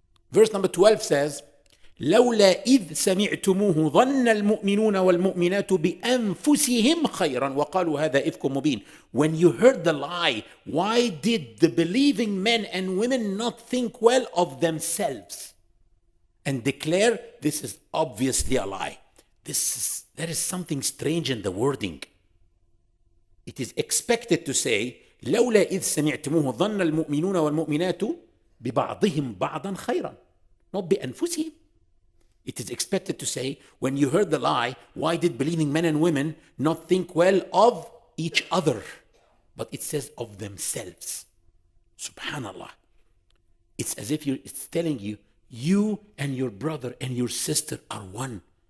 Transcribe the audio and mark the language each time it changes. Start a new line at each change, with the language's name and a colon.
English: Verse number 12 says,
Arabic: لولا إذ سمعتموه ظن المؤمنون والمؤمنات بأنفسهم خيرا وقالوا هذا إفك مبين.
English: When you heard the lie, why did the believing men and women not think well of themselves and declare this is obviously a lie? There is something strange in the wording. It is expected to say
Arabic: لولا إذ سمعتموه ظن المؤمنون والمؤمنات ببعضهم بعضا خيرا, not بأنفسهم.
English: It is expected to say when you heard the lie, why did believing men and women not think well of each other, but it says of themselves. Subhanallah. It's as if it's telling you, you and your brother and your sister are one.